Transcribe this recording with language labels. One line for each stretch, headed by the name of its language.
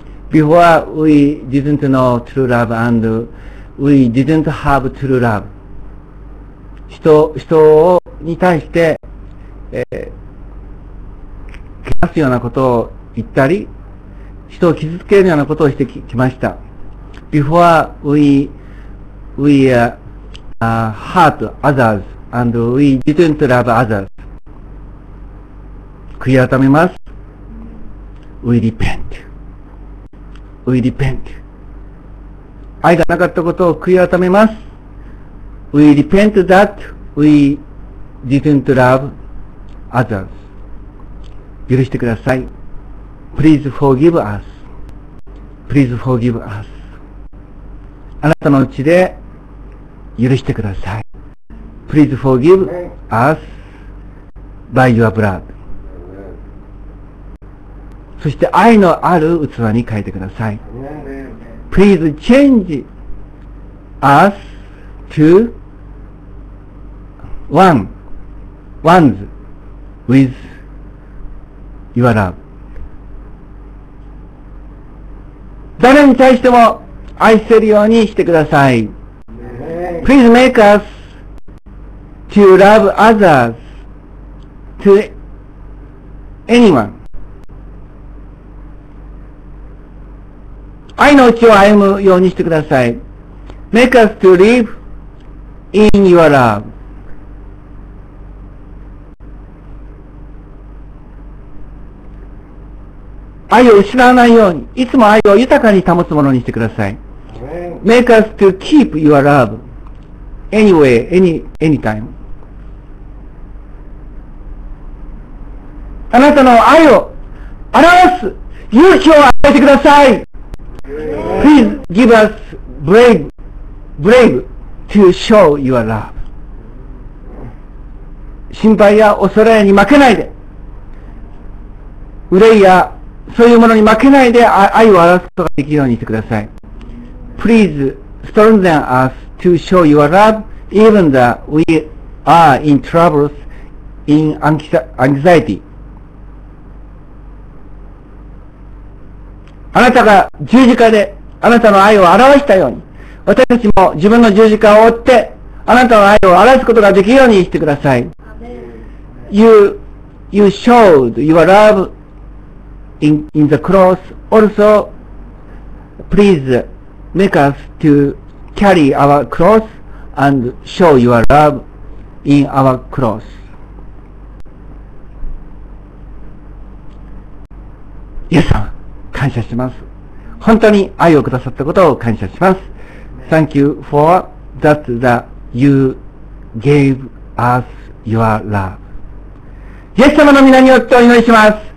English: Before we didn't know true love and we didn't have true love.
Japanese: 人に対して、汚すようなことを言ったり、人を傷つけるようなことをしてきました。
English: Before we hurt others and we didn't love others.
Japanese: 悔い改めます。
English: We repent. We repent.
Japanese: 愛がなかったことを悔い改めます。
English: We repent that we didn't love others.
Japanese: 許してください。
English: Please forgive us. Please forgive us.
Japanese: あなたのうちで許してください。
English: Please forgive us by your blood.
Japanese: そして愛のある器に変えてください。
English: Please change us to ones with your love.
Japanese: 誰に対しても愛せるようにしてください。
English: Please make us to love others to anyone.
Japanese: 愛のうちを歩むようにしてください。
English: Make us to live in your love.
Japanese: 愛を失わないように、いつも愛を豊かに保つものにしてください。
English: Make us to keep your love anyway, anytime.
Japanese: あなたの愛を表す勇気を与えてください。
English: Please give us brave to show your love.
Japanese: 心配や恐れに負けないで、憂いやそういうものに負けないで愛を表すことができるようにしてください。
English: Please strengthen us to show your love even though we are in troubles in anxiety.
Japanese: あなたが十字架であなたの愛を表したように、私たちも自分の十字架を追って、あなたの愛を表すことができるようにしてください。
English: You showed your love in the cross. Also, please make us to carry our cross and show your love in our cross.
Japanese: イエス様、感謝します。本当に愛をくださったことを感謝します。
English: Thank you for that you gave us your love.
Japanese: イエス様の皆によってお祈りします。